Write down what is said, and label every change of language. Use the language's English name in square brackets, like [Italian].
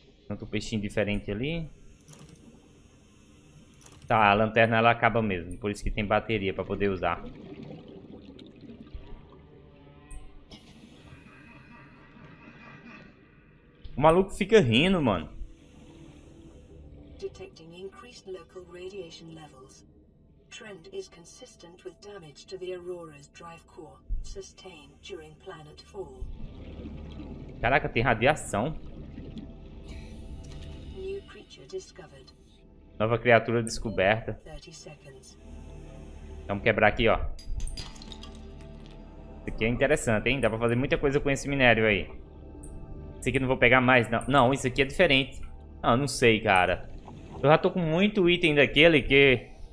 [Portuguese] Outro peixinho diferente ali. Tá, a lanterna ela acaba mesmo. Por isso que tem bateria pra poder usar. O maluco fica rindo, mano. [English] Detecting increased local radiation levels. Trend is consistent with damage to the Aurora's drive core sustained during planet fall. [Portuguese] Caraca, tem radiação. [English] New creature discovered. [Portuguese] Nova criatura descoberta. Vamos quebrar aqui, ó. Isso aqui é interessante, hein? Dá pra fazer muita coisa com esse minério aí. Esse aqui não vou pegar mais, não. Não, isso aqui é diferente. Ah, não sei, cara. Eu já tô com muito item daquele que...